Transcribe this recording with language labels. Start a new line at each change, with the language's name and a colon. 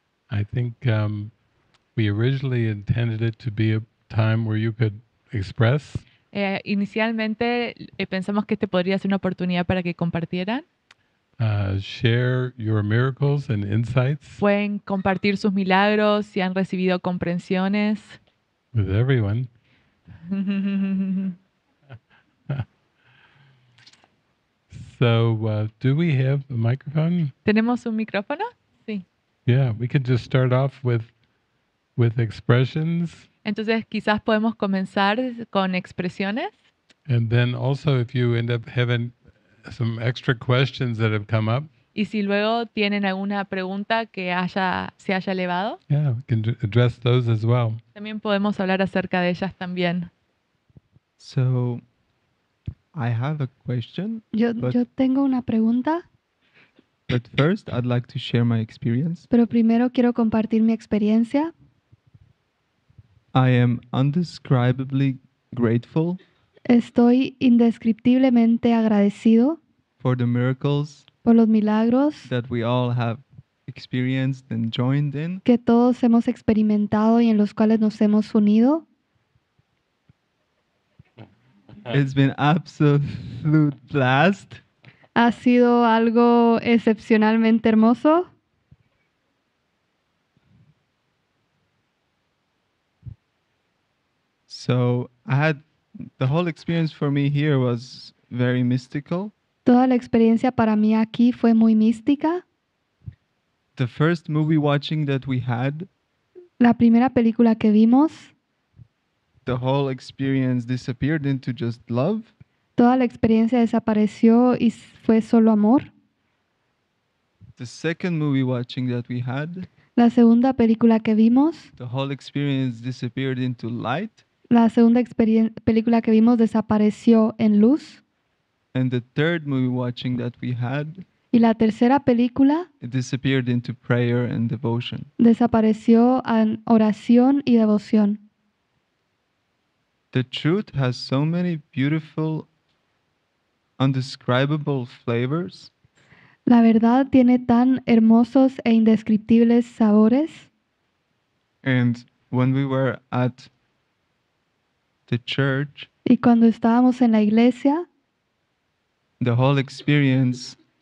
English: I think we originally intended it to be a time where you could express.
Spanish: Inicialmente pensamos que este podría ser una oportunidad para que compartieran.
English: Share your miracles and insights.
Spanish: Pueden compartir sus milagros si han recibido comprensiones.
English: With everyone. So, do we have a microphone?
Spanish: ¿Tenemos un micrófono? Sí.
English: Yeah, we could just start off with expressions.
Spanish: Entonces, quizás podemos comenzar con expresiones.
English: And then also if you end up having some extra questions that have come up.
Spanish: Y si luego tienen alguna pregunta que haya se haya elevado.
English: Yeah, we can address those as well.
Spanish: También podemos hablar acerca de ellas también.
English: So, I have a question.
Spanish: Yo tengo una pregunta.
English: But first, I'd like to share my experience.
Spanish: Pero primero quiero compartir mi experiencia.
English: I am indescribably grateful.
Spanish: Estoy indescriptiblemente agradecido.
English: For the miracles.
Spanish: Por los milagros.
English: That we all have experienced and joined in.
Spanish: Que todos hemos experimentado y en los cuales nos hemos unido.
English: It's been absolute blast.
Spanish: Ha sido algo excepcionalmente hermoso.
English: So I had the whole experience for me here was very mystical.
Spanish: Toda la experiencia para mí aquí fue muy mística.
English: The first movie watching that we had.
Spanish: La primera película que vimos.
English: The whole experience disappeared into just love.
Spanish: Toda la experiencia desapareció y fue solo amor.
English: The second movie watching that we had.
Spanish: La segunda película que vimos.
English: The whole experience disappeared into light.
Spanish: La segunda película que vimos desapareció en luz.
English: And the third movie watching that we had.
Spanish: Y la tercera película.
English: It disappeared into prayer and devotion.
Spanish: Desapareció en oración y devoción.
English: The truth has so many beautiful, indescribable flavors.
Spanish: La verdad tiene tan hermosos e indescriptibles sabores.
English: And when we were at the church,
Spanish: y cuando estábamos en la iglesia,
English: the whole experience,